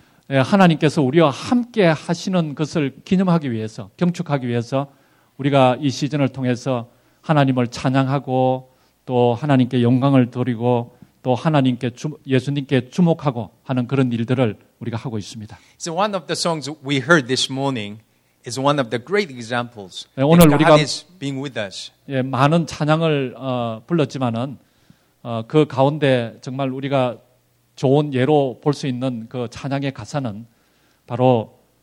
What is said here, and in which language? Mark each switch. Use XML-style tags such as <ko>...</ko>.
<ko>예, 하나님께서 우리와 함께 하시는 것을 기념하기 위해서, 경축하기 위해서 우리가 이 시즌을 통해서 하나님을 찬양하고 또 하나님께 영광을 드리고 또 하나님께 예수님께 주목하고 하는 그런 일들을 우리가 하고 있습니다.</ko> <en>So one of the songs we heard this morning is one of the great examples.</en> <ko>예, 오늘 우리가</ko> <en>God is being with us.</en> <ko>예, 많은 찬양을 불렀지만은 그 가운데 정말 우리가 좋은 예로 볼 수 있는 그 찬양의 가사는 바로</ko>